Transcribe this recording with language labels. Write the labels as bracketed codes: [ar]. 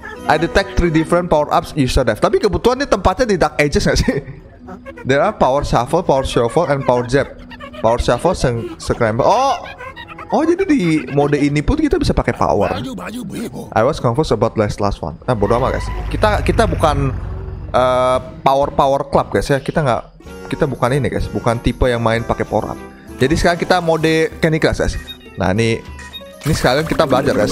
[en] I detect 3 different power ups you should have. [id] Tapi kebetulan ini tempatnya di Dark Ages gak sih? [en] There are power shuffle, power shovel, and power jab. Power shuffle, scramble. Oh, [id] Oh, jadi di mode ini pun kita bisa pakai power. [en] I was confused about last one. [id] Eh, bodo amat guys. Kita bukan power club guys ya. Kita bukan ini guys. Bukan tipe yang main pakai power up. Jadi sekarang kita mode Candy Crush guys. Nah ini sekalian kita belajar guys.